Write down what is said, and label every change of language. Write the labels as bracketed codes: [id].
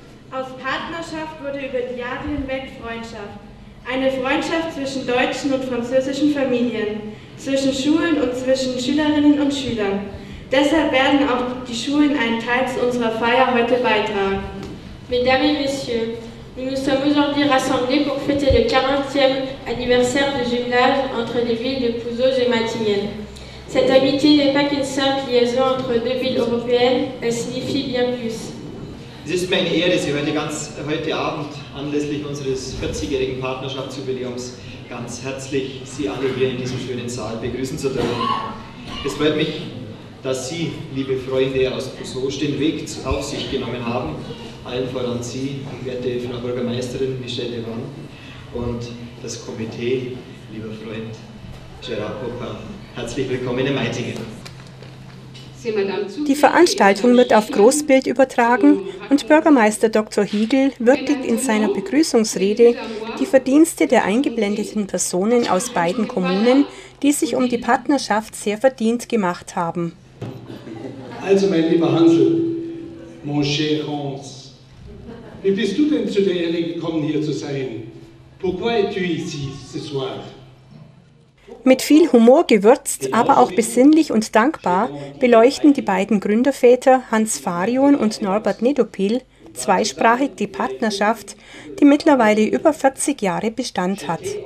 [de] Aus Partnerschaft wurde über die Jahre hinweg Freundschaft. Eine Freundschaft zwischen deutschen und französischen Familien, zwischen Schulen und zwischen Schülerinnen und Schülern. Deshalb werden auch die Schulen einen Teil zu unserer Feier heute beitragen. [fr] Mesdames et Messieurs, nous nous sommes aujourd'hui rassemblés pour fêter le 40e anniversaire du jumelage entre les villes de Posoge et Meitingen. Cette amitié n'est pas qu'une simple liaison entre 2 villes européennes, elle signifie bien plus. [de] Es ist mir eine Ehre, Sie heute Abend anlässlich unseres 40-jährigen Partnerschaftsjubiläums ganz herzlich Sie alle hier in diesem schönen Saal begrüßen zu dürfen. Es freut mich, dass Sie, liebe Freunde aus Posoge, den Weg auf sich genommen haben, allen voran Sie, werte Frau Bürgermeisterin Michelle Devan, und das Komitee, lieber Freund Gerard Popper. Herzlich willkommen in Meitingen. Die Veranstaltung wird auf Großbild übertragen und Bürgermeister Dr. Hiegel würdigt in seiner Begrüßungsrede die Verdienste der eingeblendeten Personen aus beiden Kommunen, die sich um die Partnerschaft sehr verdient gemacht haben. Also mein lieber Hansel, [fr] mon cher Hans, [de] wie bist du denn zu der Ehre gekommen, hier zu sein? [fr] Pourquoi es-tu ici ce soir? [de] Mit viel Humor gewürzt, aber auch besinnlich und dankbar, beleuchten die beiden Gründerväter Hans Farion und Norbert Nedopil zweisprachig die Partnerschaft, die mittlerweile über 40 Jahre Bestand hat.